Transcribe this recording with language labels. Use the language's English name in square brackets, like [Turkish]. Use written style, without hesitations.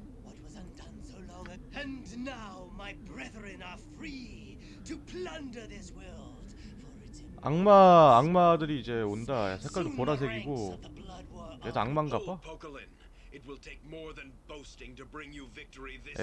[English] What was undone so long ago, and now my brethren are free to plunder this world. [Korean] 악마, 악마들이 이제 온다. 색깔도 보라색이고. 얘도 악마인가 봐. [English] Pokalin, it will take more than boasting to bring you victory this day.